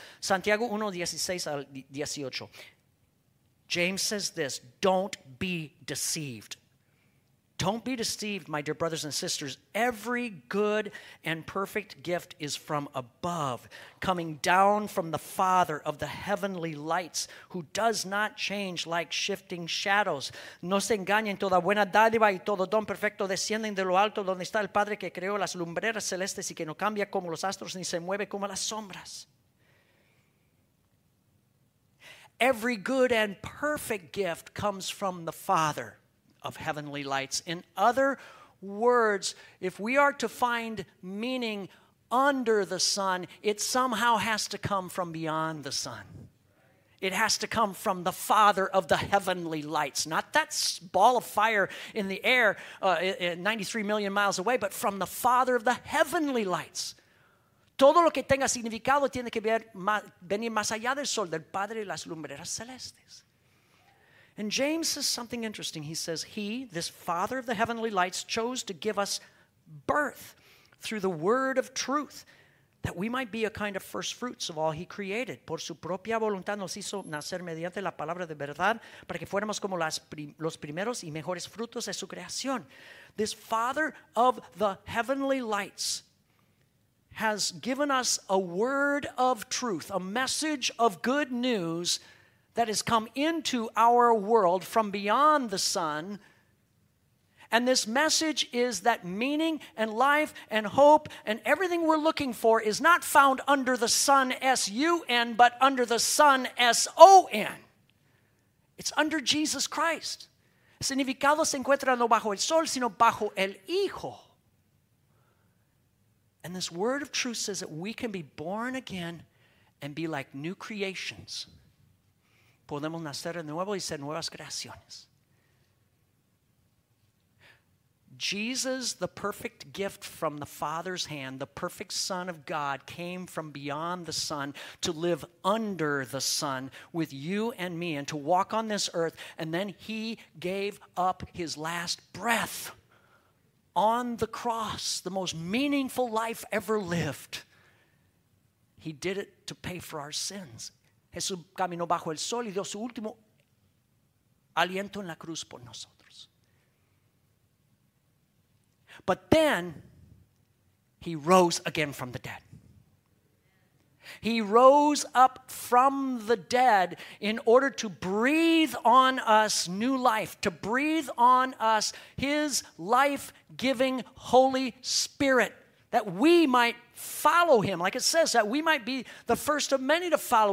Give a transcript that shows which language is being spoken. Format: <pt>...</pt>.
<es>Santiago 1, 16 al 18.</es> <en>James says this, don't be deceived. Don't be deceived, my dear brothers and sisters. Every good and perfect gift is from above, coming down from the Father of the heavenly lights, who does not change like shifting shadows.</en> <es>No se engañen, toda buena dádiva y todo don perfecto descienden de lo alto, donde está el Padre que creó las lumbreras celestes y que no cambia como los astros ni se mueve como las sombras.</es> <en>Every good and perfect gift comes from the Father of heavenly lights. In other words, if we are to find meaning under the sun, it somehow has to come from beyond the sun. It has to come from the Father of the heavenly lights. Not that ball of fire in the air 93 million miles away, but from the Father of the heavenly lights.</en> <es>Todo lo que tenga significado tiene que venir más allá del sol, del Padre y las lumbreras celestes.</es> <en>And James says something interesting. He says, he, this Father of the heavenly lights, chose to give us birth through the word of truth, that we might be a kind of first fruits of all he created.</en> <es>Por su propia voluntad nos hizo nacer mediante la palabra de verdad, para que fuéramos como los primeros y mejores frutos de su creación.</es> <en>This Father of the heavenly lights has given us a word of truth, a message of good news, that has come into our world from beyond the sun. And this message is that meaning and life and hope and everything we're looking for is not found under the sun, S-U-N, but under the sun, S-O-N. It's under Jesus Christ.</en> <es>Significado se encuentra no bajo el sol, sino bajo el Hijo.</es> <en>And this word of truth says that we can be born again and be like new creations.</en> <es>Podemos nacer de nuevo y ser nuevas creaciones.</es> <en>Jesus, the perfect gift from the Father's hand, the perfect Son of God, came from beyond the sun to live under the sun with you and me and to walk on this earth. And then he gave up his last breath on the cross, the most meaningful life ever lived. He did it to pay for our sins.</en> <es>Jesús caminó bajo el sol y dio su último aliento en la cruz por nosotros.</es> <en>But then, he rose again from the dead. He rose up from the dead in order to breathe on us new life, to breathe on us his life-giving Holy Spirit, that we might follow him, like it says, that we might be the first of many to follow.</en>